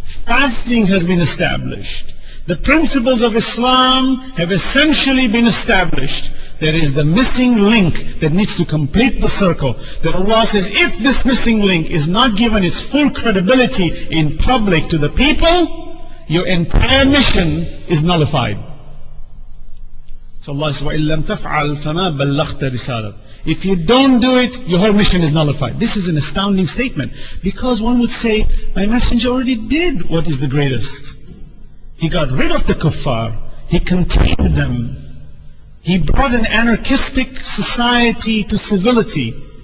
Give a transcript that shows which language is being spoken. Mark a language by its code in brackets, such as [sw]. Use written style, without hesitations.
[en] Fasting has been established. The principles of Islam have essentially been established. There is the missing link that needs to complete the circle. That Allah says, if this missing link is not given its full credibility in public to the people, your entire mission is nullified. So Allah says, [ar] وَإِن لَمْ تَفْعَلْ فَمَا بَلَّغْتَ رِسَالَةً. [en] If you don't do it, your whole mission is nullified. This is an astounding statement. Because one would say, my messenger already did what is the greatest. He got rid of the kuffar. He contained them. He brought an anarchistic society to civility.